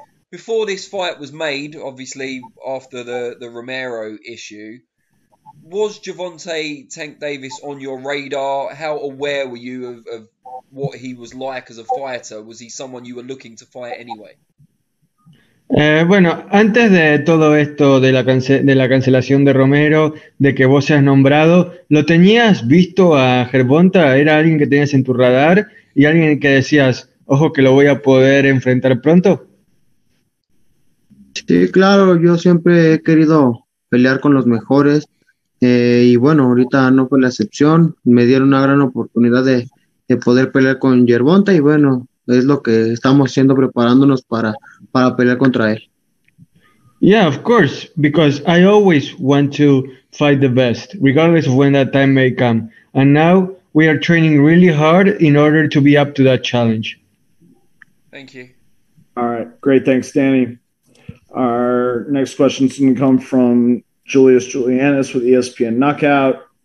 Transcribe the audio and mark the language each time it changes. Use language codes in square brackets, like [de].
[en] Before this fight was made, obviously after the Romero issue, was Gervonta Tank Davis on your radar? How aware were you of what he was like as a fighter? Was he someone you were looking to fight anyway? [es] Bueno, antes de todo esto de la cancelación de Romero, de que vos seas nombrado, ¿lo tenías visto a Gervonta? ¿Era alguien que tenías en tu radar? ¿Y alguien que decías, ojo, que lo voy a poder enfrentar pronto? Sí, claro, yo siempre he querido pelear con los mejores. Y bueno, ahorita no fue la excepción. Me dieron una gran oportunidad de poder pelear con Gervonta. Y bueno, es lo que estamos haciendo, preparándonos para pelear contra él. [en] Yeah, of course, because I always want to fight the best, regardless of when that time may come. And now we are training really hard in order to be up to that challenge. Thank you. All right. Great. Thanks, Danny. Our next question is going to come from Julius Julianis with ESPN Knockout.